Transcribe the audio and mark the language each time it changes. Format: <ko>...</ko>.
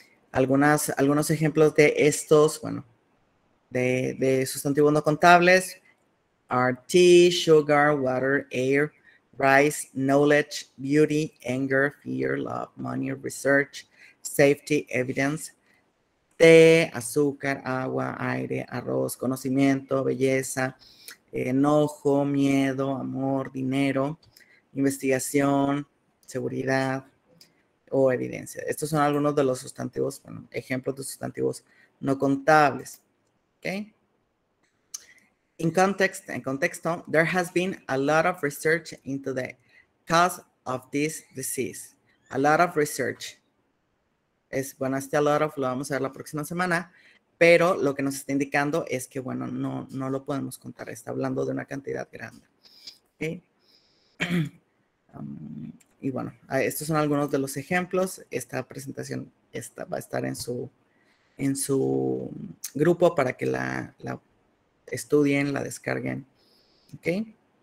<es>Algunos ejemplos de estos, bueno, de sustantivos no contables,</es> <en>are tea, sugar, water, air, rice, knowledge, beauty, anger, fear, love, money, research, safety, evidence,</en> <es>té, azúcar, agua, aire, arroz, conocimiento, belleza, enojo, miedo, amor, dinero, investigación, seguridad o evidencia. Estos son algunos de los sustantivos, bueno, ejemplos de sustantivos no contables. ¿Okay? En contexto,</es> <en>there has been a lot of research into the cause of this disease. A lot of research.</en> <es>Es bueno, este a lot of lo vamos a ver la próxima semana, pero lo que nos está indicando es que, bueno, no lo podemos contar. Está hablando de una cantidad grande. ¿Okay? Y bueno, estos son algunos de los ejemplos. Esta presentación va a estar en su grupo para que la estudien, la descarguen. ¿Okay?</es>